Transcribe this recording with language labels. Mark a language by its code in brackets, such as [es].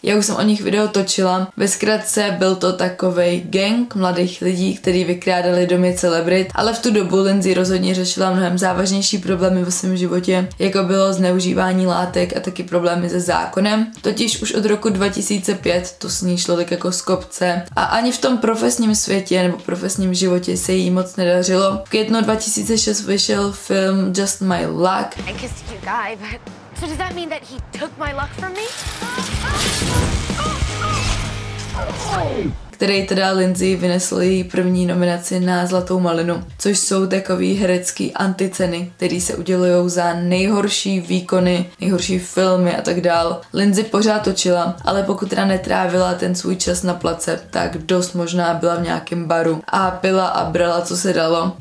[cs] Já už jsem o nich video točila. Ve zkratce byl to takovej gang mladých lidí, kteří vykrádali domy celebrit, ale v tu dobu Lindsay rozhodně řešila mnohem závažnější problémy ve svém životě, jako bylo zneužívání látek a taky problémy se zákonem. Totiž už od roku 2005 to s ní šlo tak jako z kopce a ani v tom profesním světě nebo profesním životě se jí moc nedařilo. V květnu 2006 vyšel film Just My Luck. [en] So does that mean that he took my luck from me? [cs] Který teda Lindsay vynesl její první nominaci na Zlatou malinu, což jsou takový herecký anticeny, který se udělujou za nejhorší výkony, nejhorší filmy a tak dál. Lindsay pořád točila, ale pokud teda netrávila ten svůj čas na place, tak dost možná byla v nějakém baru a pila a brala, co se dalo.